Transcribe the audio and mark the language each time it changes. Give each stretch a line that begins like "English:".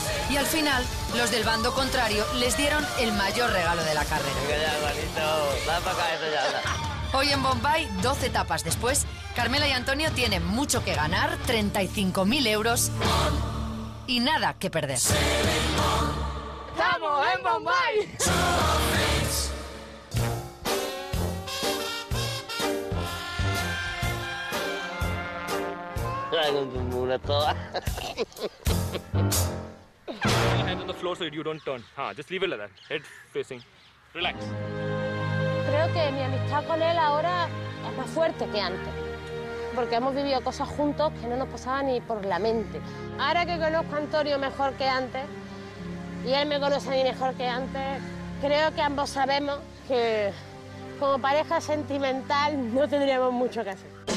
Spanish: Y al final, los del bando contrario les dieron el mayor regalo de la carrera. Venga ya, hermanito. Va para acá, eso ya. Hoy en Bombay, 12 etapas después, Carmela y Antonio tienen mucho que ganar, 35.000 euros y nada que perder. ¡Estamos en Bombay!
English: Put your hands on the floor so you don't turn. Just leave it like that. Head facing. Relax.
Spanish: Creo que mi amistad con él ahora es más fuerte que antes. porque hemos vivido cosas juntos que no nos pasaban ni por la mente. Ahora que conozco a Antonio mejor que antes, y él me conoce a mí mejor que antes, creo que ambos sabemos que como pareja sentimental no tendríamos mucho que hacer.